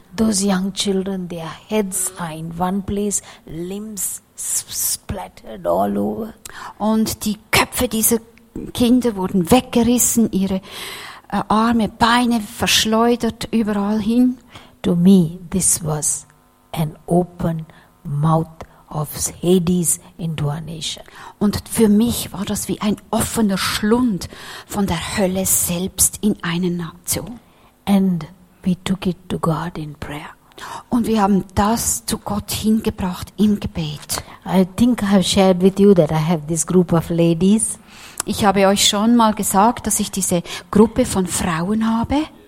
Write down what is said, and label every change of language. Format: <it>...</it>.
<en>Those young children, their heads are in one place, limbs splattered all over.</en> <de>Und die Köpfe dieser Kinder wurden weggerissen, ihre Arme, Beine verschleudert überall hin.</de> <en>To me, this was an open mouth of Hades into our nation.</en> <de>Und für mich war das wie ein offener Schlund von der Hölle selbst in eine Nation.</de> <en>And we took it to God in prayer.</en> <de>Und wir haben das zu Gott hingebracht im Gebet.</de> <en>I think I have shared with you that I have this group of ladies.</en> <de>Ich habe euch schon mal gesagt, dass ich diese Gruppe von Frauen habe.</de>